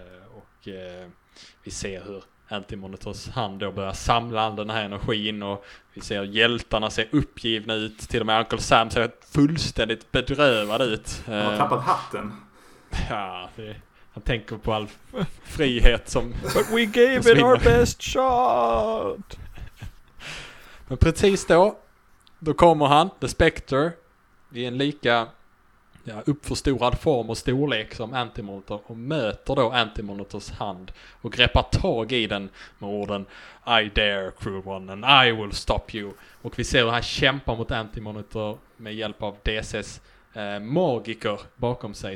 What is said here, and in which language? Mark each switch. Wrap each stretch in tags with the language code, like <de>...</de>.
<sv>Och vi ser hur Anti-Monitors hand då börjar samla den här energin, och vi ser hjältarna se uppgivna ut, till och med Uncle Sam ser fullständigt bedrövad ut. Han har tappat hatten. Ja, han tänker på all frihet som...</sv> <en>But we gave it our best shot!</en> <sv>Men precis då kommer han, The Spectre, i en lika uppförstorad form och storlek som Antimonitor och möter då Antimonitors hand och greppar tag i den med orden</sv> <en>I dare, cruel one, and I will stop you.</en> <sv>Och vi ser hur han kämpar mot Antimonitor med hjälp av DCs magiker bakom sig.</sv>